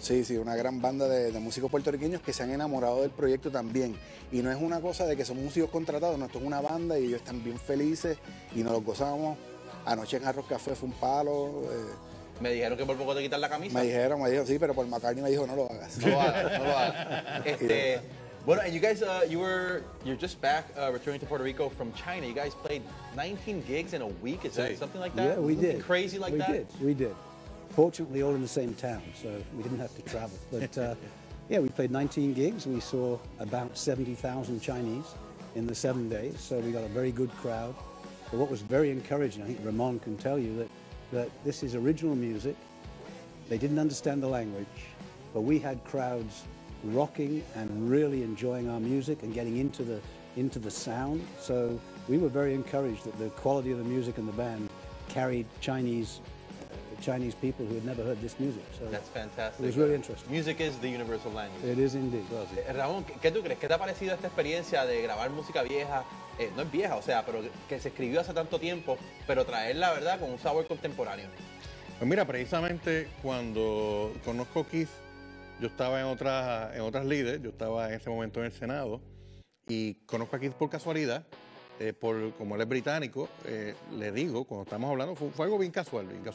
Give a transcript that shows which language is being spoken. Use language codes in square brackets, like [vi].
[es] Sí, sí, una gran banda de músicos puertorriqueños que se han enamorado del proyecto también. Y no es una cosa de que son músicos contratados, no, esto es una banda y ellos están bien felices y nos los gozamos. Anoche en Arroz Café fue un palo. Me dijeron que por poco te quitan la camisa. Me dijeron, sí, pero por McCartney me dijo, no lo hagas. No lo hagas. [en] Bueno, and you guys, you're just back returning to Puerto Rico from China. You guys played 19 gigs in a week, is that something like that? Yeah, we did. Crazy like that? We did, we did. Fortunately, all in the same town, so we didn't have to travel. But yeah, we played 19 gigs. We saw about 70,000 Chinese in the 7 days, so we got a very good crowd. But what was very encouraging, I think Ramon can tell you, that this is original music. They didn't understand the language, but we had crowds rocking and really enjoying our music and getting into the sound. So we were very encouraged that the quality of the music and the band carried Chinese people who had never heard this music. So that's fantastic. It was really interesting. Music is the universal language. It is indeed. [es] Ramón, ¿qué tú crees? ¿Qué te ha parecido esta experiencia de grabar música vieja? No es vieja, o sea, pero que se escribió hace tanto tiempo, pero traerla, ¿verdad?, con un sabor contemporáneo. Pues mira, precisamente cuando conozco Keith, yo estaba en otras líderes, yo estaba en ese momento en el Senado, y conozco a Keith por casualidad, como él es británico, le digo, cuando estamos hablando, fue algo bien casual.